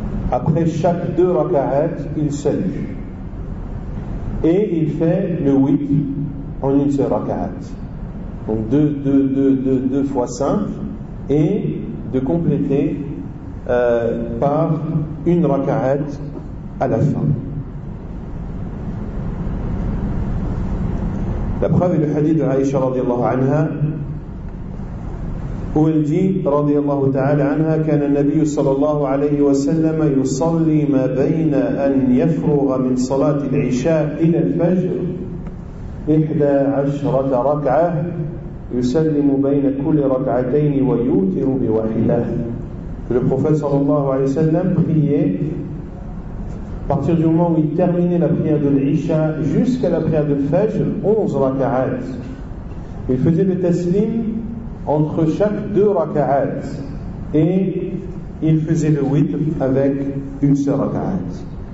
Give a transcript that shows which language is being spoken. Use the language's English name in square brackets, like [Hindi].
[French] Après chaque 2 raka'at, il salue. Et il fait le witr en une seule raka'at. Donc 2 fois 5, et de compléter par une raka'at à la fin. La preuve est le hadith de Aïcha radiallahu anha, où elle dit radiallahu ta'ala anha: [Arabic] كان النبي صلى الله عليه وسلم يصلي ما بين أن يفرغ من صلاة العشاء إلى الفجر 11 ركعة يسلم بين كل ركعتين ويوتر بواحدة. [French] Le prophète [Arabic] صلى الله عليه وسلم [French] priait à partir du moment où il terminait la prière de l'Isha jusqu'à la prière de Fajr, 11 raka'at. Il faisait le taslim entre chaque 2 raka'at, et il faisait le witr avec une seule raka'at.